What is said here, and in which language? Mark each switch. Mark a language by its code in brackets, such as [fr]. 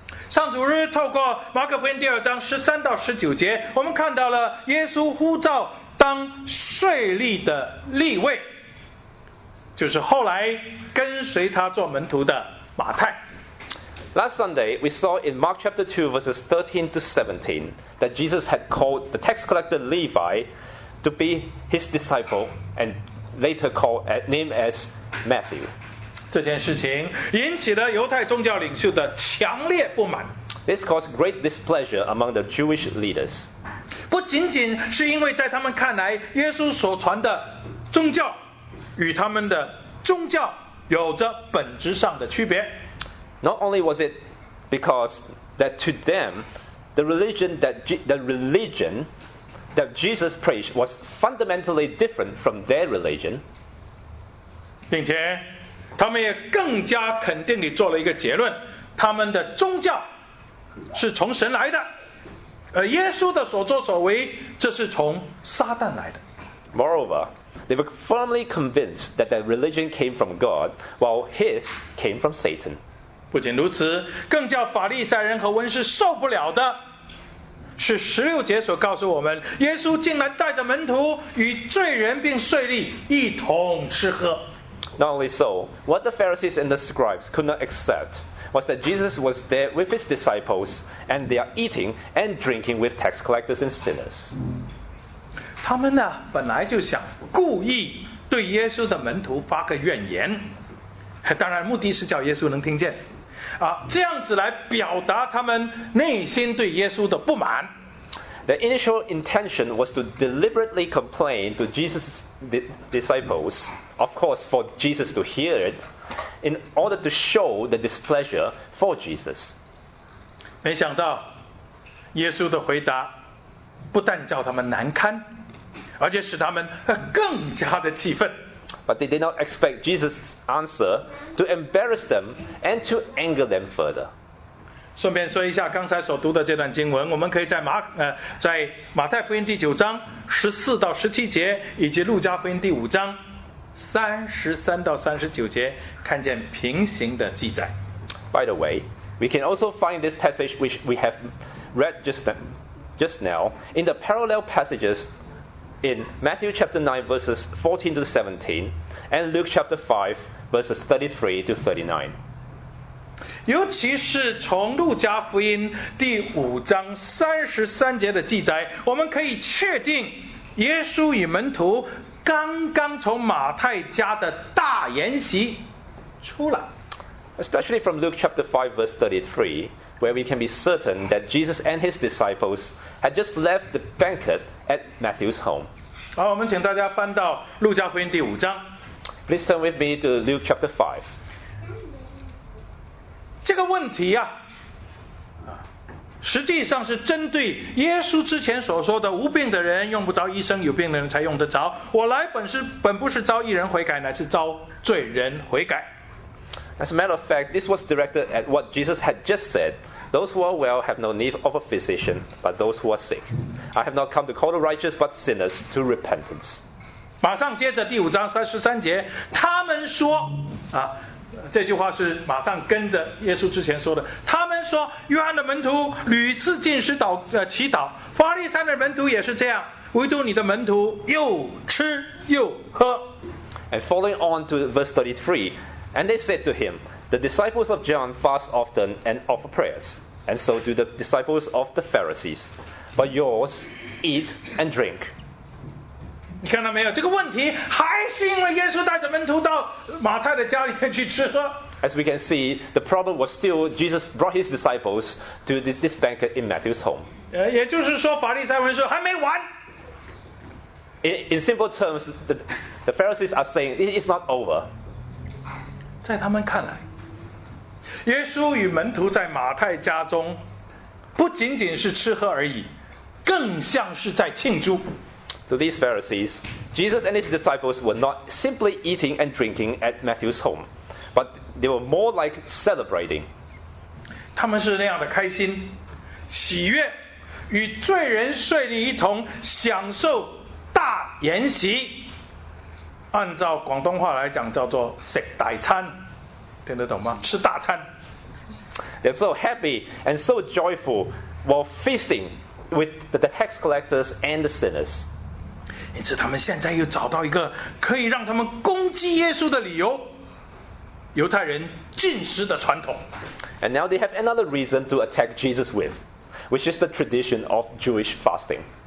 [zh] 上主日透过马可福音第二章十三到十九节，我们看到了耶稣呼召当税吏的立位，就是后来跟随他做门徒的马太。 [en] Last Sunday, we saw in Mark chapter 2, verses 13 to 17, that Jesus had called the tax collector Levi to be his disciple, and later named as Matthew. [zh] 这件事情引起了犹太宗教领袖的强烈不满。 [en] This caused great displeasure among the Jewish leaders. [zh] 不仅仅是因为在他们看来，耶稣所传的宗教与他们的宗教有着本质上的区别。 [en] Not only was it because that to them, the religion that Jesus preached was fundamentally different from their religion. [zh] 并且他们也更加肯定地做了一个结论，他们的宗教是从神来的，而耶稣的所作所为，这是从撒旦来的。 [en] Moreover, they were firmly convinced that their religion came from God, while his came from Satan. [zh] 不仅如此，更叫法利赛人和文士受不了的是十六节所告诉我们，耶稣竟然带着门徒与罪人并税吏一同吃喝。 [en] Not only so, what the Pharisees and the scribes could not accept was that Jesus was there with his disciples and they are eating and drinking with tax collectors and sinners. [zh] 他们呢本来就想故意对耶稣的门徒发个怨言，当然目的是叫耶稣能听见啊，这样子来表达他们内心对耶稣的不满。 [en] The initial intention was to deliberately complain to Jesus' disciples, of course for Jesus to hear it, in order to show the displeasure for Jesus. [zh] 没想到耶稣的回答不但叫他们难堪，而且使他们更加的气愤。 [en] But they did not expect Jesus' answer to embarrass them and to anger them further. [zh] 顺便说一下刚才所读的这段经文，我们可以在 在马太福音第九章十四到十七节以及路加福音第五章三十三到三十九节看见平行的记载。 [en] By the way, we can also find this passage which we have read just now in the parallel passages in Matthew chapter 9 verses 14 to 17 and Luke chapter 5 verses 33 to 39. [zh] 尤其是从路加福音第五章三十三节的记载，我们可以确定耶稣与门徒刚刚从马太家的大筵席出来。 [en] Especially from Luke chapter 5 verse 33, where we can be certain that Jesus and his disciples had just left the banquet at Matthew's home. [zh] 好，我们请大家翻到路加福音第五章。 [en] Please turn with me to Luke chapter 5. [zh] 这个问题啊，实际上是针对耶稣之前所说的无病的人用不着医生，有病的人才用得着。我来本不是招义人悔改，乃是招罪人悔改。 [en] As a matter of fact, this was directed at what Jesus had just said. Those who are well have no need of a physician, but those who are sick. I have not come to call the righteous, but sinners to repentance. [zh] 马上接着第五章三十三节，他们说啊，这句话是马上跟着耶稣之前说的。他们说，约翰的门徒屡次进食祷祈祷，法利赛的门徒也是这样，唯独你的门徒又吃又喝。 [en] And following on to verse 33, and they said to him, the disciples of John fast often and offer prayers, and so do the disciples of the Pharisees, but yours eat and drink. [zh] 你看到没有？这个问题还是因为耶稣带着门徒到马太的家里面去吃喝。 [en] As we can see, the problem was still Jesus brought his disciples to this banquet in Matthew's home. [zh] 也就是说，法利赛人说还没完。 [en] In simple terms, the Pharisees are saying it's not over. [zh] 在他们看来，耶稣与门徒在马太家中不仅仅是吃喝而已，更像是在庆祝。 [en] To these Pharisees, Jesus and his disciples were not simply eating and drinking at Matthew's home, but they were more like celebrating. [zh] 他们是那样的开心、喜悦，与罪人睡一同享受大筵席。按照广东话来讲，叫做食大餐，听得懂吗？吃大餐。 [en] They're so happy and so joyful while feasting with the tax collectors and the sinners. [zh] 因此他们现在又找到一个可以让他们攻击耶稣的理由，犹太人禁食的传统。 [en] And now they have another reason to attack Jesus with, which is the tradition of Jewish fasting.